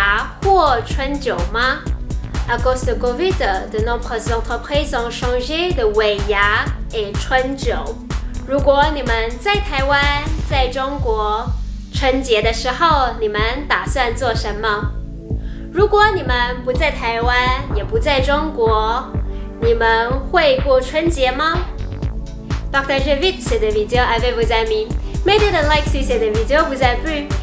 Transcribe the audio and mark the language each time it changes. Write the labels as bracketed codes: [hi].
[zh] 你们公司有尾牙或春酒吗? [fr] À cause de Covid, de nombreuses entreprises ont changé de 尾牙 et 春酒. [zh] 如果你们在台湾、在中国，春节的时候你们打算做什么？如果你们不在台湾，也不在中国，你们会过春节吗？ [fr] Partagez vite cette vidéo avec vos amis. Mettez un like si cette vidéo vous a plu.